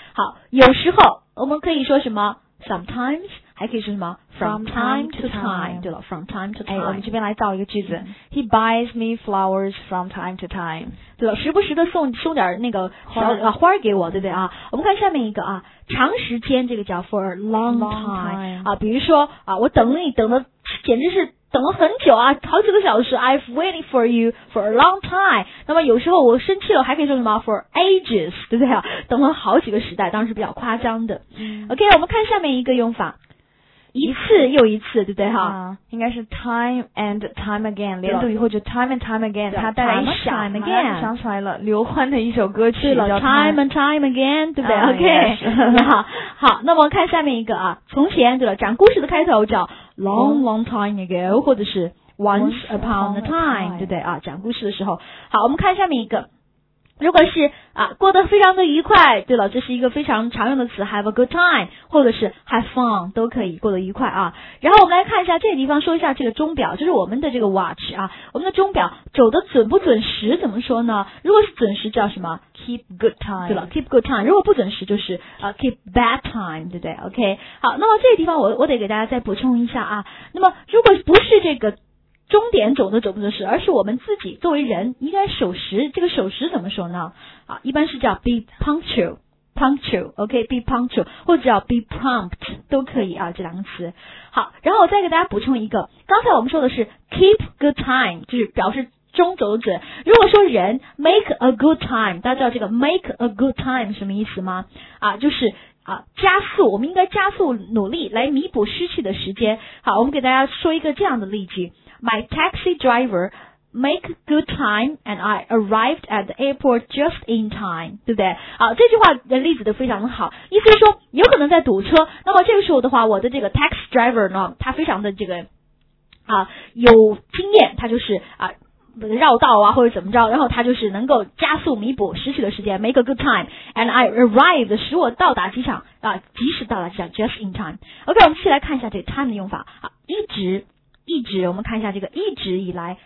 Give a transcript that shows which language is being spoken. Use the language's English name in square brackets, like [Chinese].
[Chinese] 好，有时候我们可以说什么 ？Sometimes， 还可以说什么 [English] ？From time to time，对了 ，from time to time。 [Chinese] 哎，我们这边来造一个句子、， [English] He buys me flowers from time to time， [Chinese] 对了，时不时的送点那个小花给我，对不对啊？我们看下面一个啊。长时间这个叫 for a long time 啊，比如说啊，我等你等的简直是等了很久啊，好几个小时 ， [English] I've waiting for you for a long time。 [Chinese] 那么有时候我生气了，还可以说什么 [English] for ages， [Chinese] 对不对啊？等了好几个时代，当时比较夸张的。OK， 我们看下面一个用法。一次又一次，对不对哈、啊？应该是 [English] time and time again， [Chinese] 连读以后就 [English] time and time again。 [Chinese] 它带来一想， [English] time again， [Chinese] 马上想起来了，刘欢的一首歌曲叫 [English] time and time again， [Chinese] 对不对、？OK， 好，那么看下面一个啊，从前对了，讲故事的开头叫 [English] long long time ago， [Chinese] 或者是 [English] once upon a time， [Chinese] 对不对啊？讲故事的时候，好，我们看下面一个。如果是啊，过得非常的愉快，对了，这是一个非常常用的词 ， [English] have a good time， [Chinese] 或者是 [English] have fun， [Chinese] 都可以过得愉快啊。然后我们来看一下这个地方，说一下这个钟表，就是我们的这个 watch 啊，我们的钟表走的准不准时怎么说呢？如果是准时叫什么 [English] ？keep good time，对了 ，keep good time。 [Chinese] 如果不准时就是 [English] keep bad time， [Chinese] 对不对 ？OK， 好，那么这个地方我得给大家再补充一下啊。那么如果不是这个。终点走的走不走时，而是我们自己作为人应该守时。这个守时怎么说呢？啊，一般是叫 [English] be punctual，OK，be punctual， [Chinese] 或者叫 [English] be prompt [Chinese] 都可以啊，这两个词。好，然后我再给大家补充一个，刚才我们说的是 [English] keep good time， [Chinese] 就是表示钟走准。如果说人 [English] make a good time， [Chinese] 大家知道这个 make a good time 什么意思吗？啊，就是。啊，加速，我们应该加速努力来弥补失去的时间。好，我们给大家说一个这样的例句 [English] ：My taxi driver make good time and I arrived at the airport just in time， [Chinese] 对不对？好，这句话的例子都非常的好，意思是说有可能在堵车，那么这个时候的话，我的这个 taxi driver 呢，他非常的这个有经验，他就是绕道啊或者怎么着，然后他就是能够加速弥补失去的时间 [English] make a good time and I arrived [Chinese] 使我到达机场啊，及时到达机场 [English] just in time。 [Chinese] OK 我们继续来看一下这 time 的用法啊，一直一直，我们看一下这个一直以来